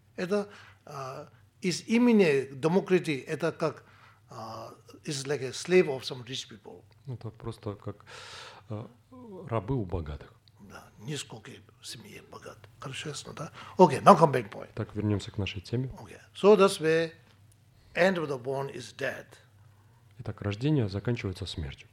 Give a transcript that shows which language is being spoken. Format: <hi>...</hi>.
<ru>Это... из имени демократии это как</ru> <en>is like a slave of some rich people.</en> <ru>Это просто как рабы у богатых. Да, нисколько семьи богат. Хорошо, ясно, да? Окей,</ru> <en>now come back point.</en> <ru>Так, вернемся к нашей теме.</ru> <en>Okay. So that's where end of the born is dead.</en> <ru>Итак, рождение заканчивается смертью.</ru>